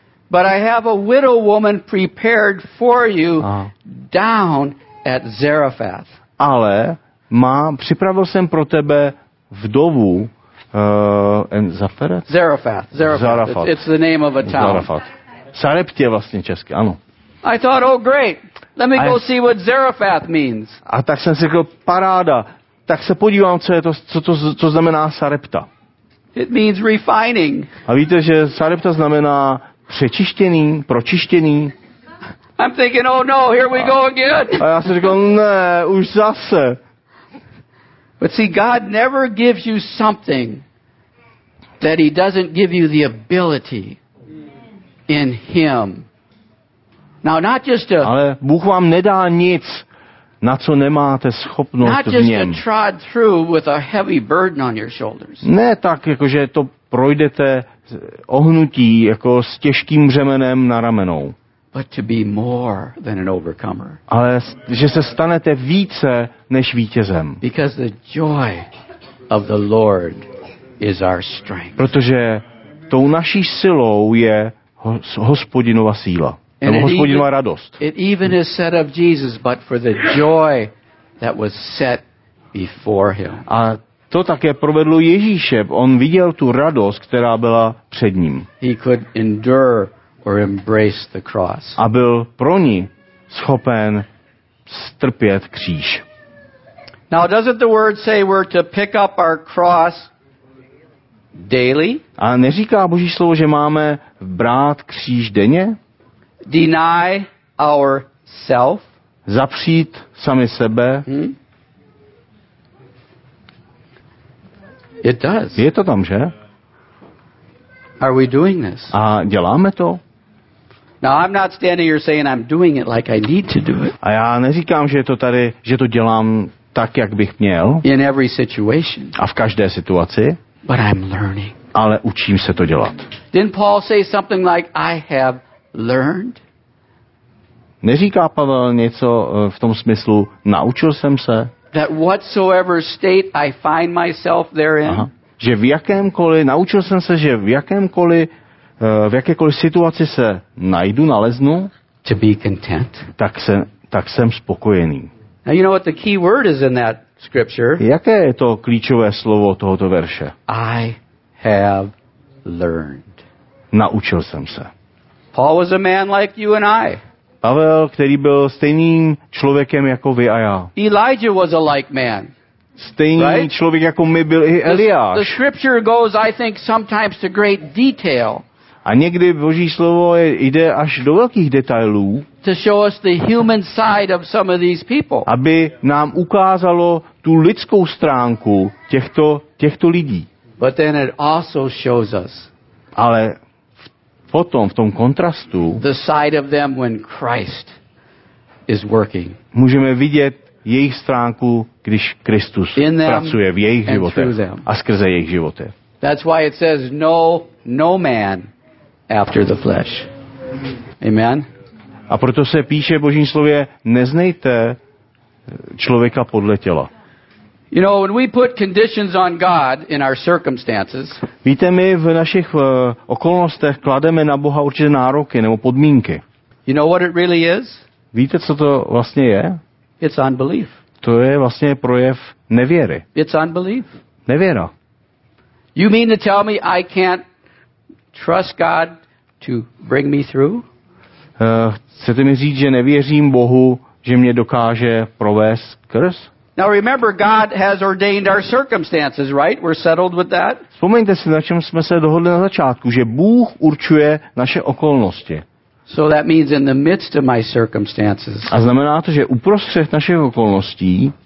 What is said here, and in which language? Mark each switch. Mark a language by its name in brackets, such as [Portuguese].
[English] But I have a widow woman prepared for you down at Zarephath. [Czech] Ale připravil jsem pro tebe vdovu [English] Zarephath. It's the name of a town. [Czech] Zarephath. Sarepta vlastně česky, ano. [English] I thought, oh great, let me go see what Zarephath means. [Czech] A tak jsem si řekl, paráda, tak se podívám, co znamená Sarepta. [English] It means refining. [Czech] A víte, že Sarepta znamená přečištěný, pročištěný. [English] I'm thinking, oh no, here we go again. [Czech] A já jsem řekl, ne, už zase. [English] But see, God never gives you something that he doesn't give you the ability in him. Now, not just a, [Czech] ale Bůh vám nedá nic, na co nemáte schopnost v něm. [English] To trod through with a heavy burden on your shoulders. [Czech] Ne tak, jakože to projdete ohnutí jako s těžkým břemenem na ramenou. [English] But to be more than an overcomer. [Czech] Ale že se stanete více než vítězem. [English] Because the joy of the Lord is our strength. [Czech] Protože tou naší silou je Hospodinova síla. Nebo Hospodinova radost. [English] It even is said of Jesus, but for the joy that was set before him. [Czech] A to také provedlo Ježíše. On viděl tu radost, která byla před ním. [English] He could endure or embrace the cross. [Czech] A byl pro ní schopen strpět kříž. [English] Now doesn't the word say we're to pick up our cross daily? [Czech] A neříká Boží slovo, že máme brát kříž denně? [English] Deny our self? [Czech] Zapřít sami sebe? [English] It does. [Czech] Je to tam, že? [English] Are we doing this? [Czech] A děláme to? [English] Now I'm not standing here saying I'm doing it like I need to do it. [Czech] A já neříkám, že to tady, že to dělám tak, jak bych měl. [English] In every situation. [Czech] A v každé situaci. [English] But I'm learning. [Czech] Ale učím se to dělat. [English] Didn't Paul say something like I have learned? [Czech] Neříká Pavel něco v tom smyslu, naučil jsem se? [English] That whatsoever state I find myself therein. Aha. [Czech] Že v jakémkoliv, naučil jsem se, že v jakémkoliv v jakékoliv situaci se najdu, naleznu, [English] to be content. [Czech] Tak jsem spokojený. [English] Now you know what the key word is in that scripture? [Czech] Jaké je to klíčové slovo tohoto verše? [English] I have learned. [Czech] Naučil jsem se. [English] Paul was a man like you and I. [Czech] Pavel, který byl stejným člověkem jako vy a já. [English] Elijah was a like man. [Czech] Stejný [English] right? [Czech] člověk jako my byl i Eliáš. [English] The scripture goes, I think, sometimes to great detail. [Czech] A někdy Boží slovo jde až do velkých detailů, [English] to show us the human side of some of these people. [Czech] Aby nám ukázalo tu lidskou stránku těchto lidí. [English] But then it also shows us. [Czech] Ale potom v tom kontrastu [English] the side of them when Christ is working. [Czech] Můžeme vidět jejich stránku, když Kristus [English] in [Czech] pracuje v jejich životě a skrze jejich životy. [English] That's why it says no man after the flesh. Amen. [Czech] A proto se píše v Božím slově, neznejte člověka podle těla. [English] You know, when we put conditions on God in our circumstances. [Czech] Víte, my v našich okolnostech klademe na Boha určité nároky nebo podmínky. [English] You know what it really is? [Czech] Víte, co to vlastně je? [English] It's unbelief. [Czech] To je vlastně projev nevěry. [English] It's unbelief. [Czech] Nevěra. [English] You mean to tell me I can't trust God to bring me through? [Czech] Chcete mi říct, že nevěřím Bohu, že mě dokáže provést skrz? [English] Now remember, God has ordained our circumstances, right? We're settled with that. [Czech] Vzpomeňte si, na čem jsme se dohodli na začátku, že Bůh určuje naše okolnosti. [English] So that means in the midst of my circumstances. [Czech] A znamená to, že uprostřed našich okolností